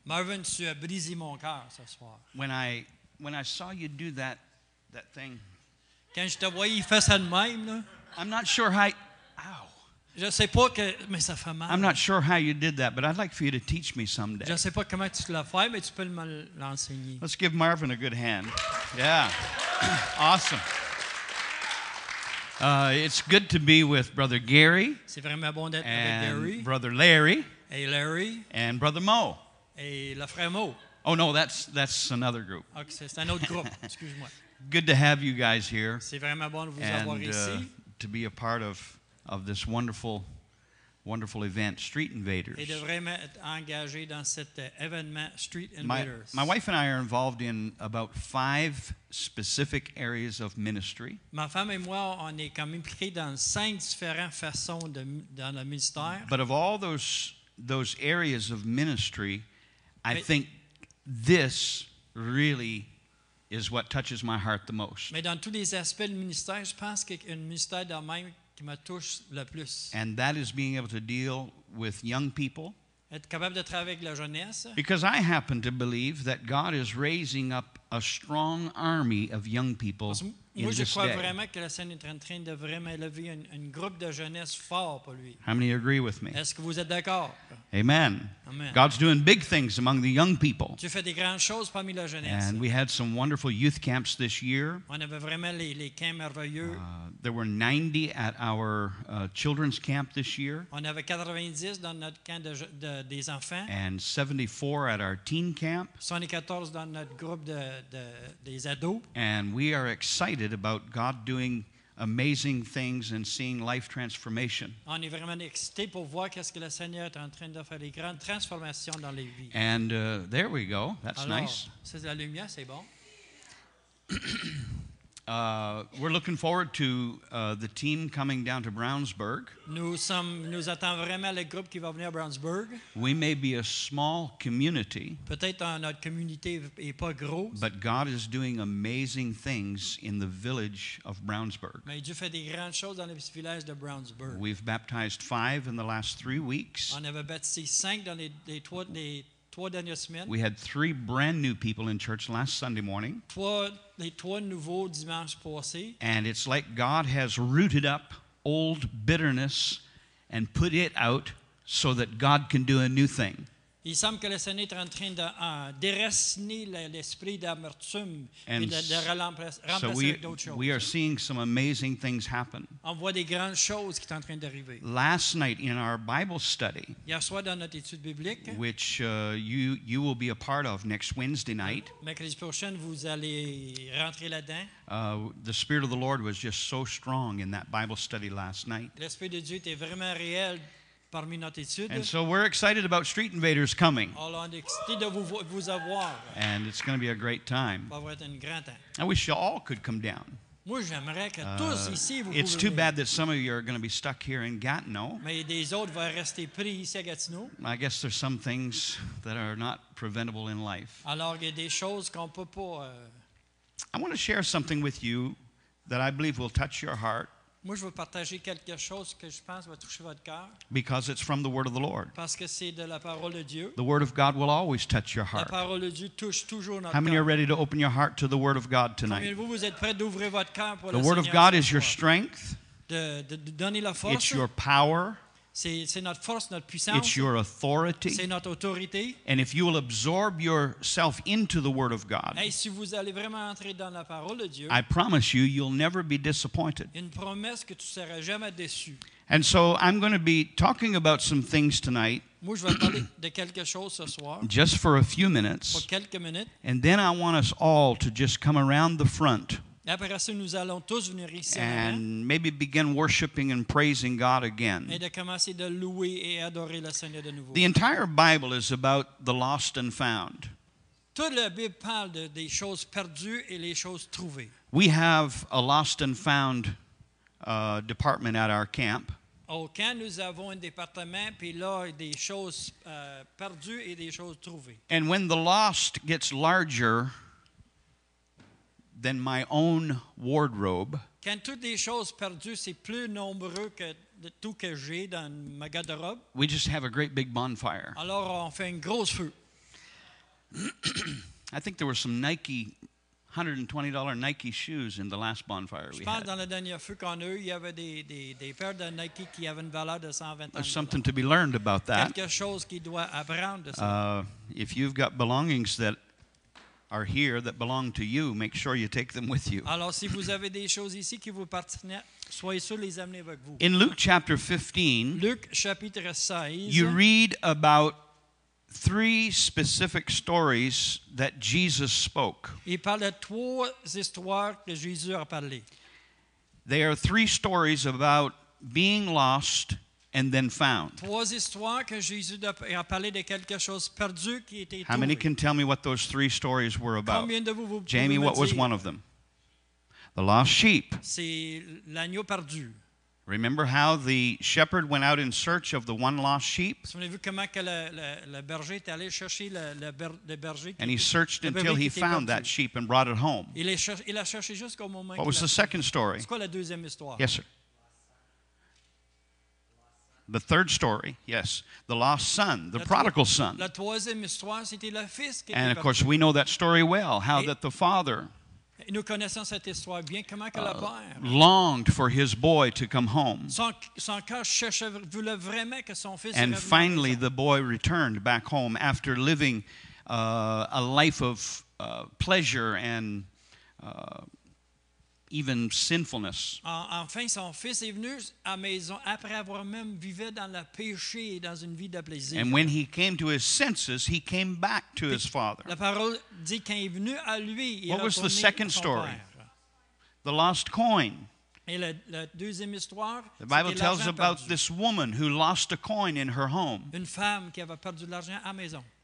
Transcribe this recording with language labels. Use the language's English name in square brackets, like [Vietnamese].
[French] Marvin, tu as brisé mon cœur ce soir. [English] When I saw you do that thing. [French] Quand je te voyais faire ça de même là. [English] I'm not sure how. [French] Je sais pas que, mais ça fait mal. [English] I'm not sure how you did that, but I'd like for you to teach me someday. [French] Je sais pas comment tu l'as fait, mais tu peux me l'enseigner. [English] Let's give Marvin a good hand. Yeah. Awesome. It's good to be with Brother Gary. [French] C'est vraiment bon d'être [English] and [French] avec Gary. [English] Brother Larry. Hey Larry. And Brother Mo. [French] Et le frère Mo. [English] Oh no, that's another group. [French] Okay, c'est un autre groupe. Excuse-moi. [English] Good to have you guys here. [French] C'est vraiment bon de vous [English] and, [French] avoir ici. [English] To be a part of this wonderful event, Street Invaders. [French] Et de vraiment être engagé dans cet événement, Street Invaders. [English] My wife and I are involved in about 5 specific areas of ministry. [French] Ma femme et moi, on est comme impliqués dans 5 différentes façons dans le ministère. [English] But of all those areas of ministry, I think this really is what touches my heart the most. [French] Mais dans tous les aspects du ministère, je pense qu'un ministère dans même qui me touche le plus. [English] And that is being able to deal with young people. [French] Être capable de travailler avec la jeunesse. [English] Because I happen to believe that God is raising up a strong army of young people in this [French] day. Moi, je crois vraiment que la scène est en train de vraiment élever un groupe de jeunesse fort pour lui. [English] How many agree with me? [French] Est-ce que vous êtes d'accord? [English] Amen. [French] Amen. [English] God's doing big things among the young people. [French] Tu fais des grandes choses parmi la jeunesse. [English] And we had some wonderful youth camps this year. [French] On avait vraiment les camps merveilleux. [English] There were 90 at our children's camp this year. [French] On avait 90 dans notre camp des enfants. [English] And 74 at our teen camp. [French] 74 dans notre groupe des ados. [English] And we are excited about God doing amazing things and seeing life transformation. [French] On est vraiment excité pour voir qu'est-ce que le Seigneur est en train de faire des grandes transformations dans les vies. [English] And there we go. That's [French] alors, [English] nice. [French] C'est la lumière, c'est bon. [English] We're looking forward to the team coming down to Brownsburg. [French] Nous attendons vraiment le groupe qui va venir à Brownsburg. [English] We may be a small community. [French] Peut-être notre communauté est pas grosse. [English] But God is doing amazing things in the village of Brownsburg. [French] Mais Dieu fait des grandes choses dans le village de Brownsburg. [English] We've baptized 5 in the last 3 weeks. [French] On avait baptisé 5 dans les 3 dernières semaines. [English] We had 3 brand new people in church last Sunday morning. [French] Les 3 nouveaux dimanche passé. [English] And it's like God has rooted up old bitterness and put it out so that God can do a new thing. [French] Il semble que le Seigneur est en train de déraciner l'esprit d'amertume et de remplacer avec d'autres choses. [English] We are seeing some amazing things happen. [French] On voit des grandes choses qui sont en train d'arriver. [English] Last night in our Bible study, [French] hier soir dans notre étude biblique, [English] which you will be a part of next Wednesday night, [French] mercredi prochain vous allez rentrer là-dedans. [English] The Spirit of the Lord was just so strong in that Bible study last night. [French] L'esprit de Dieu était vraiment réel. [English] And so we're excited about Street Invaders coming. And it's going to be a great time. I wish you all could come down. It's too bad that some of you are going to be stuck here in Gatineau. I guess there's some things that are not preventable in life. I want to share something with you that I believe will touch your heart. [French] Moi, je veux partager quelque chose que je pense va toucher votre cœur. [English] Because it's from the word of the Lord. [French] Parce que c'est de la parole de Dieu. [English] The word of God will always touch your heart. [French] La parole de Dieu touche toujours notre cœur. [English] How many are ready to open your heart to the word of God tonight? [French] Combien de vous êtes prêts d'ouvrir votre cœur pour le Seigneur? [English] The word of God is your strength. [French] De donner la force. [English] It's your power. [French] C'est notre force, notre puissance. [English] It's your authority. [French] C'est notre autorité. [English] And if you will absorb yourself into the word of God, [French] et si vous allez vraiment entrer dans la parole de Dieu, [English] I promise you, you'll never be disappointed. [French] Une promesse que tu seras jamais déçu. [English] And so I'm going to be talking about some things tonight. [French] Moi, je vais parler de quelque chose ce soir. [English] Just for a few minutes. [French] Pour quelques minutes. [English] And then I want us all to just come around the front. [French] Après ça, nous allons tous venir ici. [English] And maybe begin worshiping and praising God again. [French] Et de commencer de louer et adorer le Seigneur de nouveau. [English] The entire Bible is about the lost and found. [French] Toute la Bible parle des choses perdues et les choses trouvées. [English] We have a lost and found department at our camp. [French] Au camp, nous avons un département, puis là, des choses perdues et des choses trouvées. [English] And when the lost gets larger than my own wardrobe. [French] Quand toutes les choses perdues, c'est plus nombreux que tout que j'ai dans ma garde-robe. [English] We just have a great big bonfire. [French] Alors on fait une grosse feu. [English] I think there were some Nike, $120 Nike shoes in the last bonfire we had. [French] Je pense dans le dernier feu qu'on a eu, il y avait des paires de Nike qui avaient une valeur de $120. [English] Something to be learned about that. [French] Quelque chose qui doit apprendre de ça. [English] If you've got belongings that are here that belong to you, make sure you take them with you. [French] Alors si vous avez des choses ici qui vous appartiennent, soyez sûr de les amener avec vous. [English] In Luke chapter 15, [French] Luke chapitre 16, [English] you read about 3 specific stories that Jesus spoke. [French] Il parle de 3 histoires que Jésus a parlé. [English] They are 3 stories about being lost and then found. [French] 3 histoires que Jésus a parlé de quelque chose perdu qui était trouvé. [English] How many can tell me what those 3 stories were about? [French] Combien de vous pouvez [English] Jamie, what was one of them? The lost sheep. [French] C'est l'agneau perdu. [English] Remember how the shepherd went out in search of the one lost sheep? [French] Souvenez-vous comment que le berger est allé chercher le berger. [English] And he searched until he found that sheep and brought it home. [French] Il a cherché jusqu'au moment. [English] What was the second story? [French] C'est quoi la deuxième histoire? [English] Yes, sir. The third story, yes, the lost son, the prodigal son. [French] La troisième histoire, c'était le fils qui. [English] And of course, we know that story well. How that the father. [French] Nous connaissons cette histoire bien. Comment que le père. [English] Longed for his boy to come home. [French] Son cœur cherchait, voulait vraiment que son fils. [English] And finally, the boy returned back home after living a life of pleasure and even sinfulness. [French] Enfin, son fils est venu à la maison après avoir même vécu dans le péché et dans une vie de plaisir. [English] And when he came to his senses, he came back to his father. [French] La parole dit qu'il est venu à lui. [English] What was the second story? The lost coin. [French] Et la deuxième histoire. [English] The Bible tells about this woman who lost a coin in her home. [French] Une femme qui avait perdu l'argent à la maison.